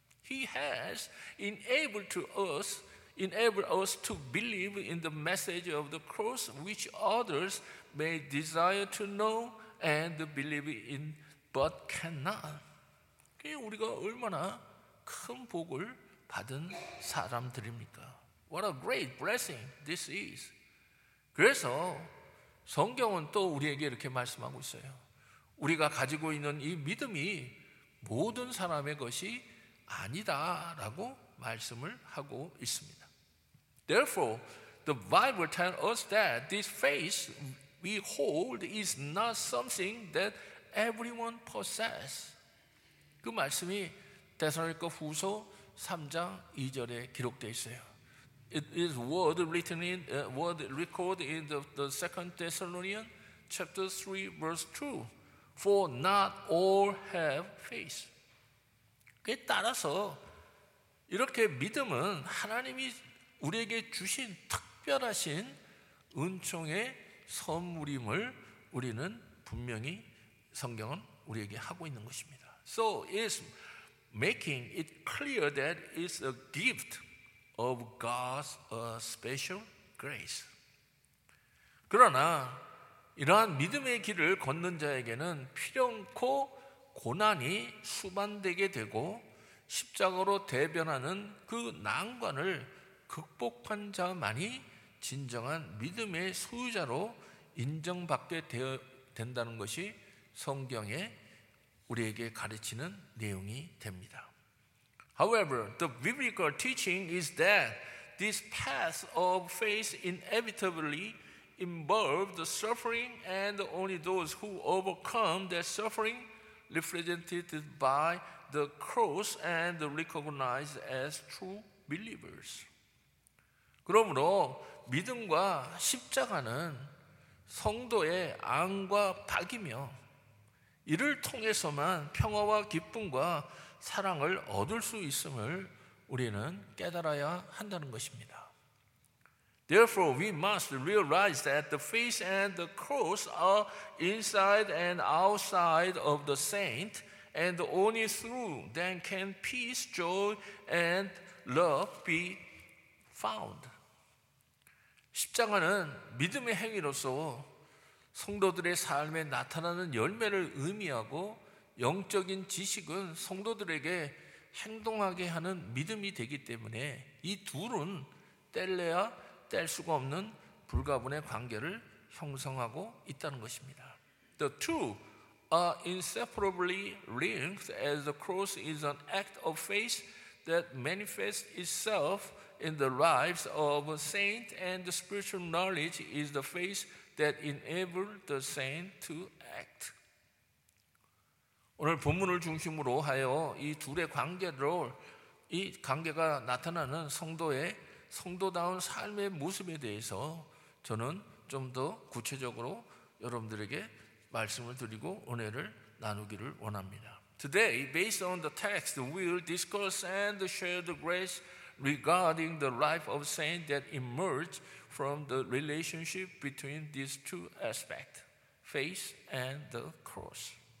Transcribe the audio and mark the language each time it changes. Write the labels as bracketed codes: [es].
[en] He has enabled us to believe in the message of the cross which others may desire to know and believe in but cannot. [ko] 우리가 얼마나 큰 복을 받은 사람들입니까? [en] What a great blessing this is. [ko] 그래서 성경은 또 우리에게 이렇게 말씀하고 있어요. 우리가 가지고 있는 이 믿음이 모든 사람의 것이 아니다라고 말씀을 하고 있습니다. [en] Therefore, the Bible tells us that this faith we hold is not something that everyone possess. [ko] 그 말씀이 데살로니가 후서 3장 2절에 기록되어 있어요. [en] It is word written in word recorded in the second Thessalonians chapter 3 verse 2. For not all have faith. [ko] 그에 따라서 이렇게 믿음은 하나님이 우리에게 주신 특별하신 은총의 선물임을 우리는 분명히 성경은 우리에게 하고 있는 것입니다. [en] So it's making it clear that it's a gift of God's special grace. [ko] 그러나 이러한 믿음의 길을 걷는 자에게는 필연코 고난이 수반되게 되고 십자가로 대변하는 그 난관을 극복한 자만이 진정한 믿음의 소유자로 인정받게 된다는 것이 성경에 우리에게 가르치는 내용이 됩니다. [en] However, the biblical teaching is that this path of faith inevitably involved suffering and only those who overcome that suffering represented by the cross and recognized as true believers. [ko] 그러므로 믿음과 십자가는 성도의 안과 박이며 이를 통해서만 평화와 기쁨과 사랑을 얻을 수 있음을 우리는 깨달아야 한다는 것입니다. [en] Therefore, we must realize that the face and the cross are inside and outside of the saint, and only through them can peace, joy, and love be found. [ko] 십자가는 믿음의 행위로서 성도들의 삶에 나타나는 열매를 의미하고 영적인 지식은 성도들에게 행동하게 하는 믿음이 되기 때문에 이 둘은 뗄래야 뗄 수가 없는 불가분의 관계를 형성하고 있다는 것입니다. [en] The two are inseparably linked as the cross is an act of faith that manifests itself in the lives of a saint and the spiritual knowledge is the faith that enable the saint to act. [ko] 오늘 본문을 중심으로 하여 이 둘의 관계로 이 관계가 나타나는 성도의 성도다운 삶의 모습에 대해서 저는 좀 더 구체적으로 여러분들에게 말씀을 드리고 은혜를 나누기를 원합니다. [en] Today, based on the text, we'll discuss and share the grace regarding the life of saint that emerged from the relationship between these two aspects, faith and the cross.